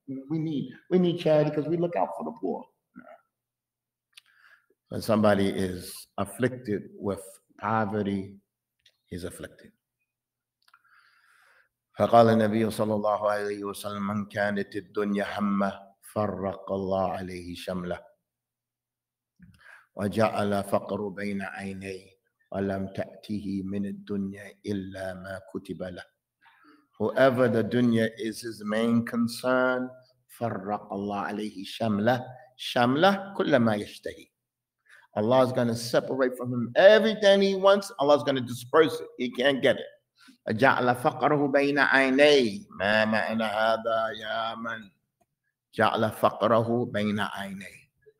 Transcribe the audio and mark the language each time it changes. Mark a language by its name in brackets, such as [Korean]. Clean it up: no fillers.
[English] We need charity because we look out for the poor. When somebody is afflicted with poverty, he's afflicted. [Arabic] فقال النبي صلى الله عليه وسلم من كانت الدنيا همة فرق الله عليه شملة وجعل فقر بين عيني ولم تأته من الدنيا إلا ما كتب له. [English] Whoever the dunya is his main concern, [Arabic] فرق الله عليه شملة. شملة كل ما يشتهي. [English] Allah is going to separate from him everything he wants. Allah is going to disperse it. He can't get it. [Arabic] جعل فقره بين عيني. ما معنى هذا يا من؟ جعل فقره بين عيني.